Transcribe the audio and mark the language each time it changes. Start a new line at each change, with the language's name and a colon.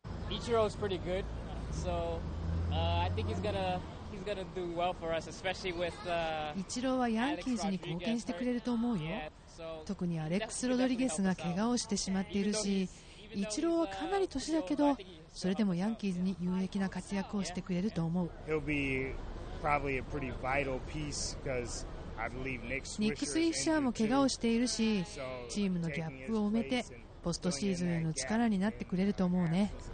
English: イチローは pretty good、 so、I think he's gonna do well for us, especially with、
Japanese: イチローはヤンキーズに貢献してくれると思うよ。特にアレックス・ロドリゲスが怪我をしてしまっているし、イチローはかなり年だけどそれでもヤンキーズに有益な活躍をしてくれると思う。
English: He'll be probably a pretty vital piece because I believe Nick Swisher is injured too.
Japanese: ニック・スイッシャーも怪我をしているし、チームのギャップを埋めてポストシーズンへの力になってくれると思うね。